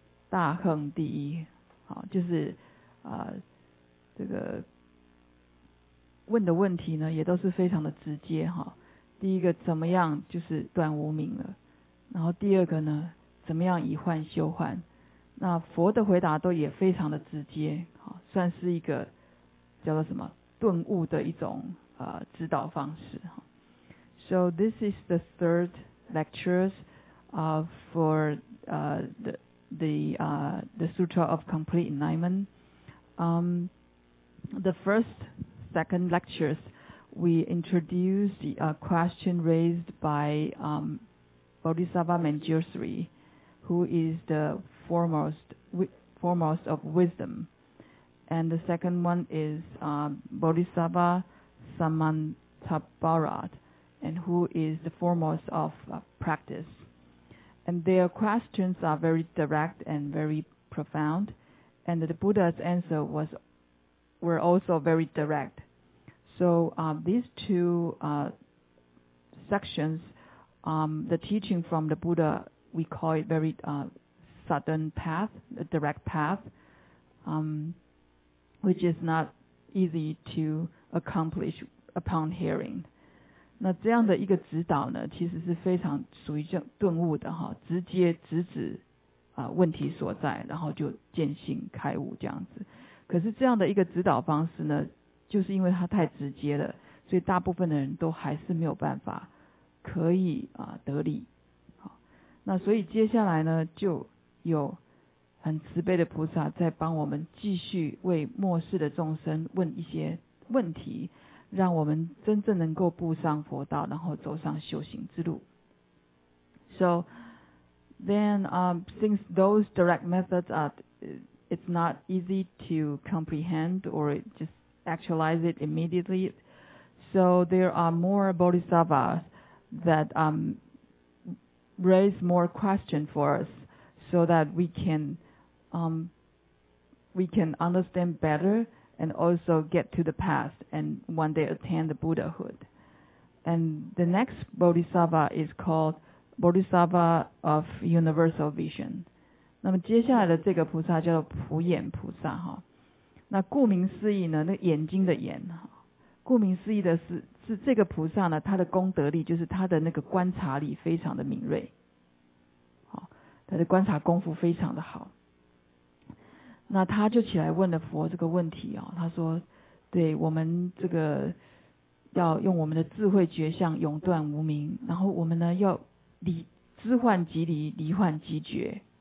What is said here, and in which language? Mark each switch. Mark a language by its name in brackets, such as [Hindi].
[Chinese] 大恨第一，好，就是这个问的问题呢，也都是非常的直接哈。第一个怎么样，就是断无明了，然后第二个呢？怎么样以幻修幻，那佛的回答都也非常的直接，算是一个叫做什么顿悟的一种指导方式。 [English] So this is the third lecture for the Sutra of Complete Enlightenment. The first, second lectures we introduced a question raised by Bodhisattva Manjushri,who is the foremost of wisdom. And the second one is Bodhisattva Samantabharat, and who is the foremost of practice. And their questions are very direct and very profound, and the Buddha's answer were also very direct. So these two sections, the teaching from the Buddha,we call it very sudden path, a direct path, which is not easy to accomplish upon hearing. [Chinese] 那这样的一个指导呢，其实是非常属于顿悟的哈，直接直指问题所在，然后就见性开悟这样子。可是这样的一个指导方式呢，就是因为它太直接了，所以大部分的人都还是没有办法可以得理。那所以接下来呢，就有很慈悲的菩萨在帮我们继续为末世的众生问一些问题，让我们真正能够步上佛道，然后走上修行之路。 [English] So then, since those direct methods it's not easy to comprehend or just actualize it immediately, so there are more bodhisattvas that raise more questions for us so that we can understand better and also get to the past and one day attain the Buddhahood. And the next Bodhisattva is called Bodhisattva of Universal Vision. [Chinese] 那么接下来的这个菩萨叫做普眼菩萨哈。那顾名思义呢，那眼睛的眼，顾名思义的是这个菩萨呢，他的功德力就是他的那个观察力非常的敏锐。他的观察功夫非常的好，那他就起来问了佛这个问题啊、哦，他说：“对我们这个要用我们的智慧觉相永断无明，然后我们呢要离知幻即离，离幻即觉。